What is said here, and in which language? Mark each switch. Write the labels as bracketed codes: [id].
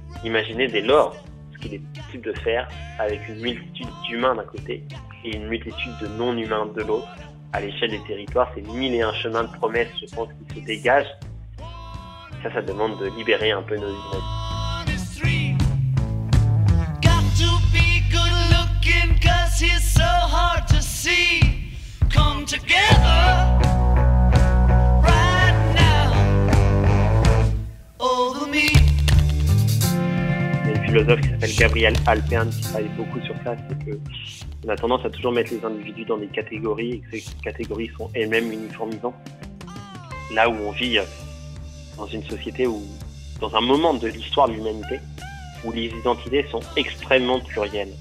[fr] Imaginez dès lors ce qu'il est possible de faire avec une multitude d'humains d'un côté et une multitude de non-humains de l'autre. À l'échelle des territoires, c'est mille et un chemins de promesses, je pense, qui se dégagent. Ça, ça demande de libérer un peu nos humains. [en] Got to be good looking, 'cause he's so hard to see. Come together right now. Over me. [fr] Il y a une philosophe qui s'appelle Gabriel Alpern qui travaille beaucoup sur ça, c'est que on a tendance à toujours mettre les individus dans des catégories et que ces catégories sont elles-mêmes uniformisantes. Là où on vit dans une société ou dans un moment de l'histoire de l'humanité où les identités sont extrêmement plurielles.